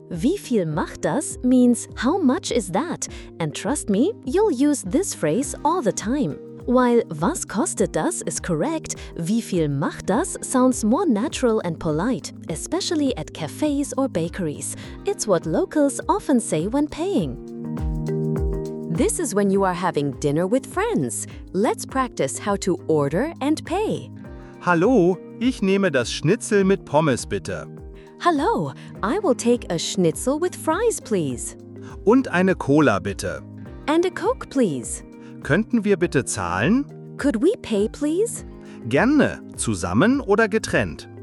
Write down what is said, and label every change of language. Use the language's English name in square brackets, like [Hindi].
[German] Wie viel macht das [English] means how much is that? And trust me, you'll use this phrase all the time. While [German] was kostet das [English] is correct, [German] wie viel macht das [English] sounds more natural and polite, especially at cafes or bakeries. It's what locals often say when paying. This is when you are having dinner with friends. Let's practice how to order and pay. [German] Hallo, ich nehme das Schnitzel mit Pommes, bitte. [English] Hallo, I will take a Schnitzel with fries, please. [German] Und eine Cola, bitte. [English] And a Coke, please. [German] Könnten wir bitte zahlen? [English] Could we pay, please? [German] Gerne, zusammen oder getrennt?